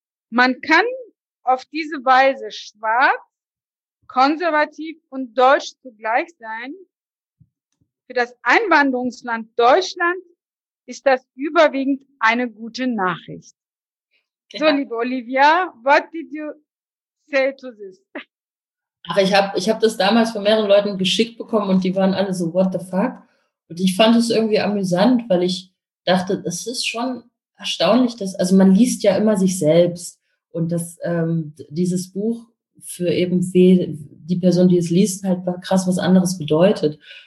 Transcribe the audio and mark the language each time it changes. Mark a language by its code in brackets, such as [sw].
[de] Man kann auf diese Weise schwarz, konservativ und deutsch zugleich sein. Für das Einwanderungsland Deutschland ist das überwiegend eine gute Nachricht. Ja. So, liebe [en] Olivia, what did you say to this? [de] Ach, ich hab das damals von mehreren Leuten geschickt bekommen und die waren alle so, [en] what the fuck? [de] Und ich fand es irgendwie amüsant, weil ich dachte, es ist schon erstaunlich, dass, also man liest ja immer sich selbst. Und das, dieses Buch für eben die Person, die es liest, halt krass was anderes bedeutet.